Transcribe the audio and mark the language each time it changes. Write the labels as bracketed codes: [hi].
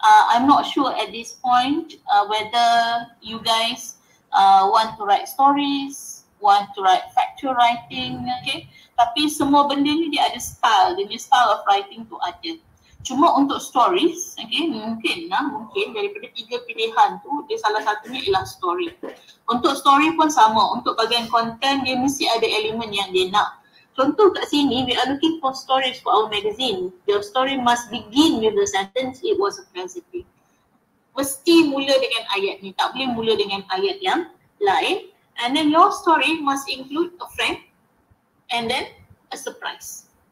[en] I'm not sure at this point whether you guys want to write stories, want to write factual writing, okay? [ms] Tapi semua benda ni dia ada style, dia punya [en] style of writing [ms] tu ada. Cuma untuk stories, okay, mungkin lah, mungkin daripada tiga pilihan tu, dia salah satunya ialah story. Untuk story pun sama, untuk bagian content, dia mesti ada elemen yang dia nak. Contoh kat sini, [en] we are looking for stories for our magazine. Your story must begin with a sentence, it was a positive. [ms] Mesti mula dengan ayat ni, tak boleh mula dengan ayat yang lain. [en] And then your story must include a friend and then a surprise.